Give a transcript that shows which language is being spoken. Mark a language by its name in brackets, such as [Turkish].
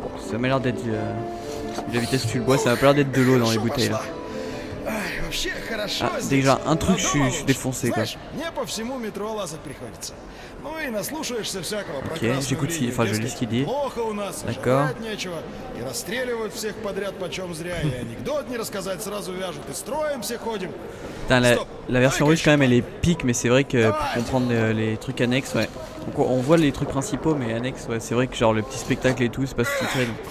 [French] Ça m'a l'air d'être de la vitesse que tu le bois, ça m'a l'air d'être de l'eau dans les bouteilles. Ah, déjà un truc, je suis défoncé quoi. Ok, j'écoute, enfin je lis ce qu'il dit. D'accord. [Russian] И расстреливают всех подряд, почем зря, и анекдот не рассказать, сразу вяжут, и строим все ходим. [French] Putain, la version russe quand même elle est pique, mais c'est vrai que pour comprendre les trucs annexes, ouais. Donc, on voit les trucs principaux, mais annexes, ouais, c'est vrai que genre le petit spectacle et tout, c'est pas sous-titré.